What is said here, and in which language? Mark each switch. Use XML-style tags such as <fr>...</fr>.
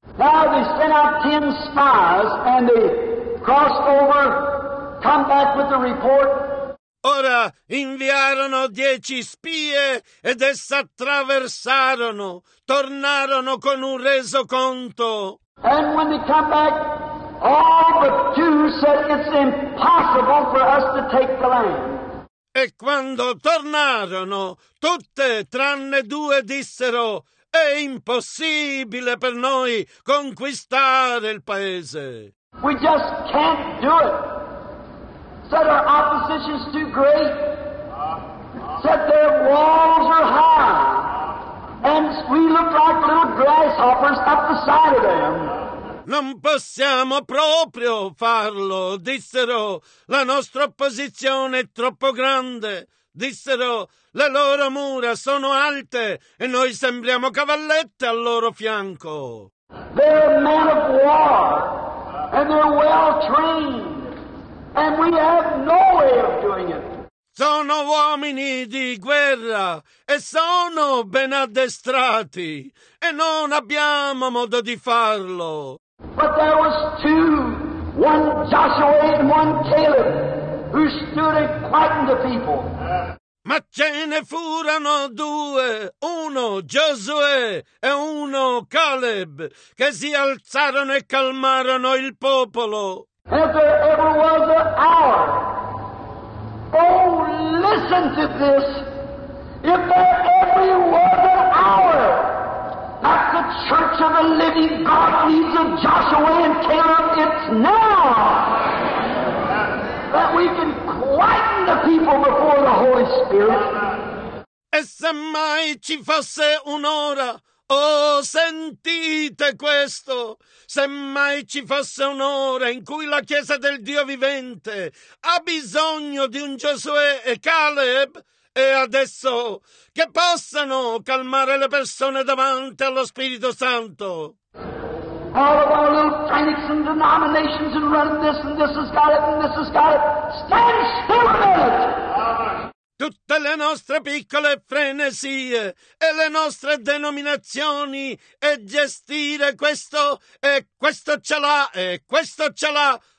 <en>Now they sent out 10 spies and they crossed over, come back with the report.</en> <it>Ora inviarono 10 spie ed essa attraversarono, tornarono con un resoconto.</it> <en>And when they come back, all but two said it's impossible for us to take the land.</en> <it>E quando tornarono, tutte tranne due dissero, è impossibile per noi conquistare il paese.</it> <en>We just can't do it. Said our opposition's too great. Said their walls are high. And we look like little grasshoppers up the side of them.</en> <it>Non possiamo proprio farlo, dissero. La nostra opposizione è troppo grande, dissero. Le loro mura sono alte e noi sembriamo cavallette al loro fianco.</it> <en>They're men of war and they're well trained and we have no way of doing it.</en> <it>Sono uomini di guerra e sono ben addestrati e non abbiamo modo di farlo.</it> <en>But there was two, one Joshua and one Caleb, who stood and quieted the people.</en> <it>Ma ce ne furono due, uno Giosuè e uno Caleb, che si alzarono e calmarono il popolo.</it> <en>If there ever was an hour, oh, listen to this, if there ever was an hour that the Church of the Living God needs of Joshua and Caleb, it's now that we can quieten the people before the Holy Spirit.</en> <it>E semmai ci fosse un'ora, oh, sentite questo, semmai ci fosse un'ora in cui la Chiesa del Dio vivente ha bisogno di un Giosuè e Caleb, e adesso che possano calmare le persone davanti allo Spirito Santo.</it> <en>All of our little frantics and denominations and run this and this has got it and this has got it. Stand still a minute!</en> <it>Tutte le nostre piccole frenesie e le nostre denominazioni e gestire questo e questo ce l'ha e questo ce l'ha.</it>